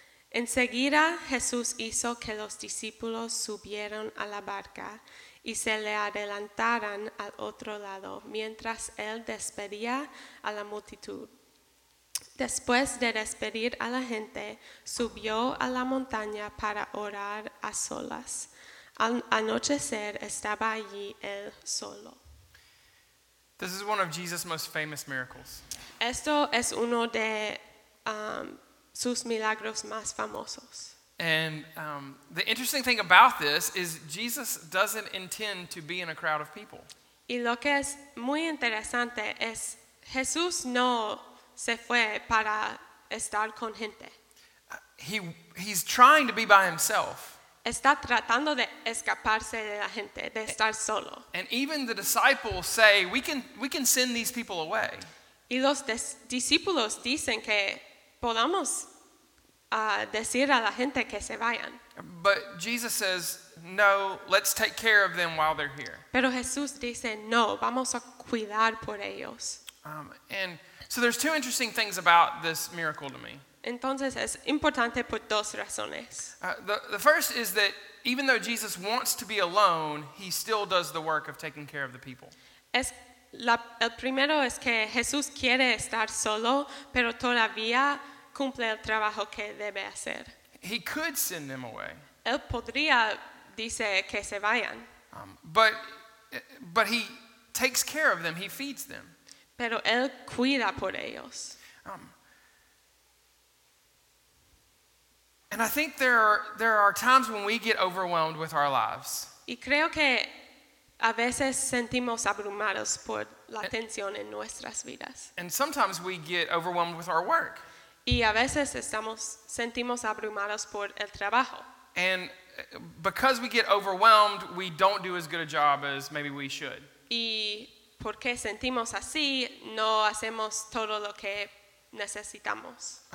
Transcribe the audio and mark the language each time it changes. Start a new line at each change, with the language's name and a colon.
Spanish: Enseguida Jesús hizo que los discípulos subieran a la barca y se le adelantaran al otro lado mientras él despedía a la multitud. Después de despedir a la gente, subió a la montaña para orar a solas. Al anochecer estaba allí él solo.
English: This is one of Jesus' most famous miracles.
Spanish: Esto es uno de sus milagros más famosos.
English: And the interesting thing about this is Jesus doesn't intend to be in a crowd of people.
Spanish: Y lo que es muy interesante es Jesús no se fue para estar con gente.
English: He's trying to be by himself.
Spanish: Está tratando de escaparse de la gente, de estar solo.
English: And even the disciples say, we can send these people away.
Spanish: Y los discípulos dicen que podamos decir a la gente que se vayan.
English: But Jesus says, no, let's take care of them while they're here.
Spanish: Pero Jesús dice, no, vamos a cuidar por ellos.
English: And so there's 2 interesting things about this miracle to me.
Spanish: Entonces es importante por 2 razones.
English: The first is that even though Jesus wants to be alone, he still does the work of taking care of the people.
Spanish: El primero es que Jesús quiere estar solo, pero todavía cumple el trabajo que debe hacer.
English: He could send them away.
Spanish: Él podría, dice, que se vayan.
English: But he takes care of them. He feeds them.
Spanish: Pero él cuida por ellos.
English: And I think there are times when we get overwhelmed with our lives.
Spanish: Y creo que a veces sentimos abrumados por la tensión en nuestras vidas.
English: And sometimes we get overwhelmed with our work.
Spanish: Y a veces sentimos abrumados por el trabajo.
English: And because we get overwhelmed, we don't do as good a job as maybe we should.
Spanish: Y porque sentimos así, no hacemos todo lo que necesitamos.